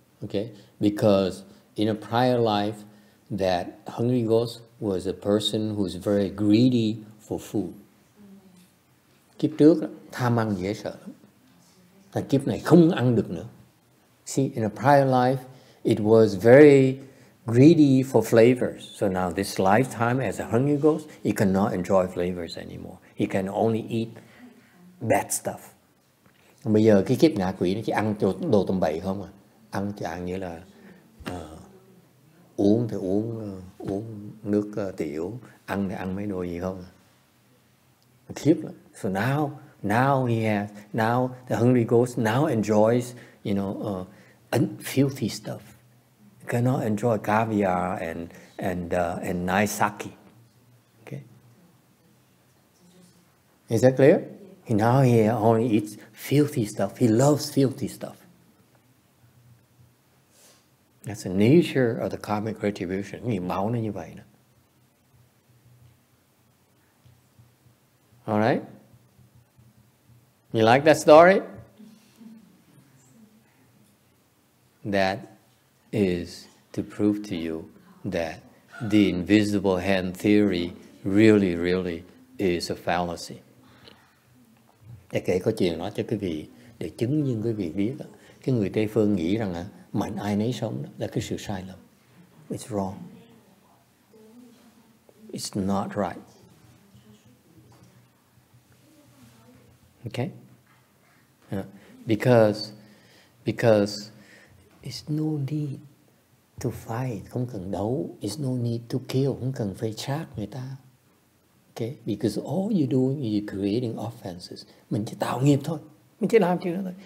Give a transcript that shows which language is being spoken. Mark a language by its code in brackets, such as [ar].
[en] Okay, because in a prior life, that hungry ghost was a person who's very greedy for food. [vi] Kiếp trước tham ăn dễ sợ lắm. Là kiếp này không ăn được nữa. [en] See, in a prior life, it was very greedy for flavors. So now this lifetime as a hungry ghost, he cannot enjoy flavors anymore. He can only eat bad stuff. [vi] Bây giờ cái kiếp ngạ quỷ nó chỉ ăn đồ tầm bậy không à? Ăn thì ăn như là uống thì uống uống nước tiểu, ăn thì ăn mấy đồ gì không à? Khiếp lắm. [en] So now, now the hungry ghost now enjoys, you know, filthy stuff. Cannot enjoy caviar and nice sake. Okay. Is that clear? He now he only eats filthy stuff. He loves filthy stuff. That's the nature of the karmic retribution. [vi] Nghiệp báo nó như vậy đó. [en] All right. You like that story? That is to prove to you that the invisible hand theory really, really is a fallacy. [vi] Để kể câu chuyện nói cho quý vị, để chứng minh quý vị biết, cái người Tây Phương nghĩ rằng mạnh ai nấy sống là cái sự sai lầm. [en] It's wrong. It's not right. Okay? Because it's no need to fight, [vi] không cần đấu. [en] It's no need to kill, [vi] không cần phải sát người ta. [en] Okay? Because all you do is you're creating offenses. [vi] Mình chỉ tạo nghiệp thôi. Mình chỉ làm chuyện đó thôi.